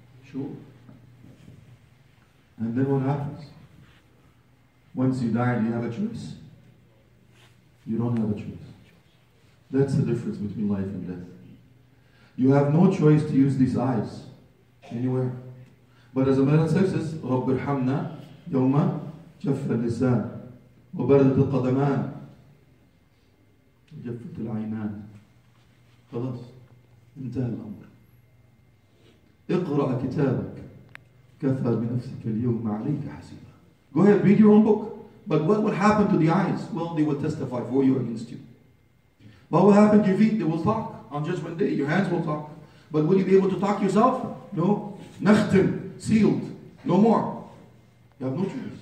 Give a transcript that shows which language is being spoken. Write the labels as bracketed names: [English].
[English] Sure. And then what happens? Once you die, do you have a choice? You don't have a choice. That's the difference between life and death. You have no choice to use these eyes anywhere. But as a man says, [Arabic] رَبِّ ارْحَمْنَا يَوْمَ جَفَّ اللِّسَانِ وَبَرَدَتِ الْقَدَمَانِ وَجَفَّتِ الْعَيْنَانِ. خلاص. انتهى الأمر. اقرأ كتابك. كفى بنفسك اليوم عليك حسيبا. [English] Go ahead, read your own book. But what will happen to the eyes? Well, they will testify for you against you. What will happen to your feet? They will talk on judgment day. Your hands will talk. But will you be able to talk yourself? No. Nakhtim, sealed. No more. You have no choice.